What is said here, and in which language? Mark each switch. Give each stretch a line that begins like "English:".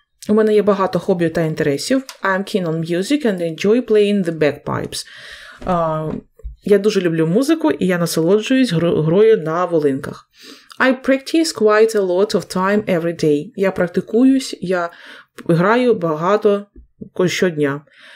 Ukrainian: У мене є багато хобі та інтересів.
English: I'm keen on music and enjoy playing the bagpipes.
Ukrainian: Я дуже люблю музику, і я насолоджуюсь грою на волинках.
English: I practice quite a lot of time every day.
Ukrainian: Я практикуюсь, я граю багато щодня.